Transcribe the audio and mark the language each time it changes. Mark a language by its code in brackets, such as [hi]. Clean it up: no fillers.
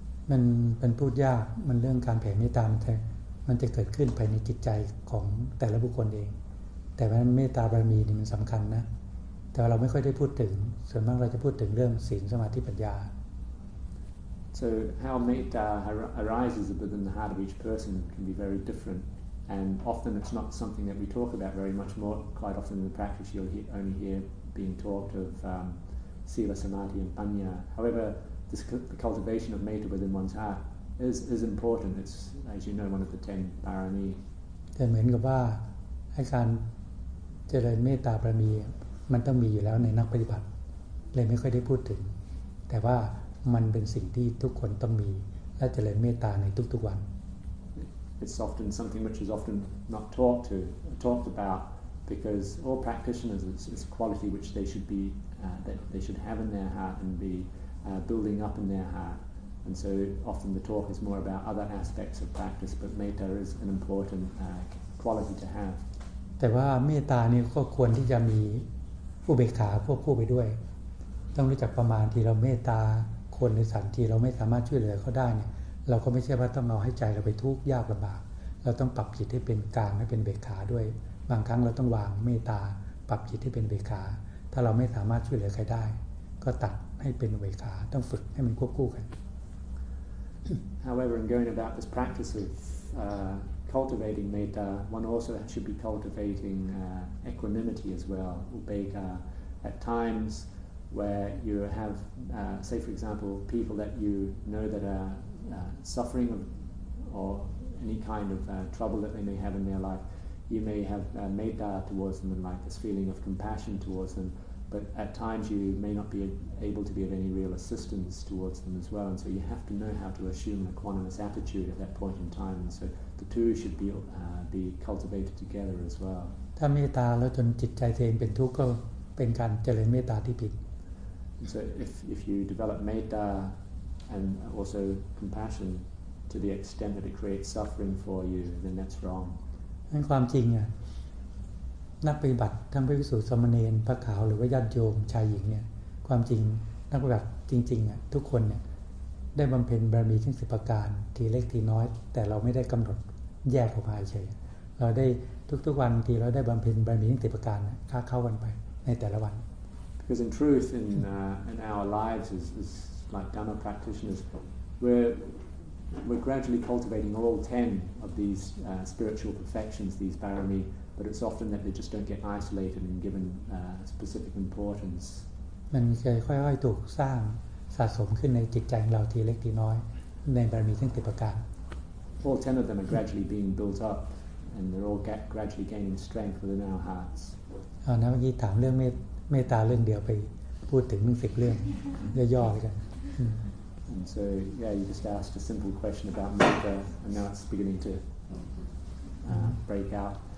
[th] มันเป็นพูดยากมันเรื่องการแผ่เมตตามันจะเกิดขึ้นภายในจิตใจของแต่ละบุคคลเองแต่ว่าเมตตาบารมีนี่มันสำคัญนะแต่เราไม่ค่อยได้พูดถึงส่วนมากเราจะพูดถึงเรื่องศีลสมาธิปัญญา [en] So how metta arises within the heart of each person can be very different, and often it's not something that we talk about very much more. Quite often in the practice, you'll only hear being talked of sila, samadhi, and panya. However, the cultivation of metta within one's heart is important. It's, as you know, one of the 10 parami. [th] แต่เหมือนกับว่าให้การเจริญเมตตาบารมีมันต้องมีอยู่แล้วในนักปฏิบัติเลยไม่ค่อยได้พูดถึงแต่ว่ามันเป็นสิ่งที่ทุกคนต้องมีและเจริญเมตตาในทุกๆวัน [en] It's often something which is often not talked about because all practitioners it's a quality which they should be that they should have in their heart and be building up in their heart and so often the talk is more about other aspects of practice but metta is an important quality to have [th] แต่ว่าเมตตานี่ก็ควรที่จะมีอุเบกขาควบคู่ไปด้วยต้องรู้จักประมาณที่เราเมตตาคนในสันที่เราไม่สามารถช่วยเหลือเขาได้เนี่ยเราก็ไม่ใช่ว่าต้องเอาให้ใจเราไปทุกข์ยากลำบากเราต้องปรับจิตให้เป็นกลางให้เป็นเบกขาด้วยบางครั้งเราต้องวางเมตตาปรับจิตให้เป็นเบกขาถ้าเราไม่สามารถช่วยเหลือใครได้ก็ตัดให้เป็นเบกขาต้องฝึกให้มันควบคู่กัน [en] However in going about this practice of cultivating metta one also should be cultivating equanimity as well upekkha at timesWhere you have, say for example, people that you know that are suffering or any kind of trouble that they may have in their life, you may have metta towards them and like this feeling of compassion towards them. But at times you may not be able to be of any real assistance towards them as well. And so you have to know how to assume an equanimous attitude at that point in time. And so the two should be cultivated together as well. [th] ถ้าเมตตาแล้วจนจิตใจเองเป็นทุกข์ก็เป็นการเจริญเมตตาที่ผิด [en] So if you develop metta and also compassion to the extent that it creates suffering for you, then that's wrong. In [th] ความจริงอ่ะนักปฏิบัติทั้งภิกษุสามเณรพระขาวหรือว่าญาติโยมชายหญิงเนี่ยความจริงนักปฏิบัติจริงๆอ่ะทุกคนเนี่ยได้บำเพ็ญบารมีทั้งสิบประการทีเล็กทีน้อยแต่เราไม่ได้กำหนดแยกออกมาเฉยเราได้ทุกๆวันทีเราได้บำเพ็ญบารมีทั้งสิบประการค่าเข้ากันไปในแต่ละวัน [en] Because in truth, in our lives, as like Dhamma practitioners, we're gradually cultivating all 10 of these spiritual perfections, these barami, but it's often that they just don't get isolated and given specific importance. [th] มันจะค่อยๆถูกสร้างสะสมขึ้นในจิตใจของเราทีเล็กทีน้อยในบารมีทั้งสิบประการ [en] All 10 of them are gradually being built up, and they're all gradually gaining strength within our hearts. [th] นะเมื่อกี้ถามเรื่องเมตตาเรื่องเดียวไปพูดถึงเรื่องสิบเรื่องย่อๆเลยกัน [en] And so yeah you just asked a simple question about metta and now it's beginning to break out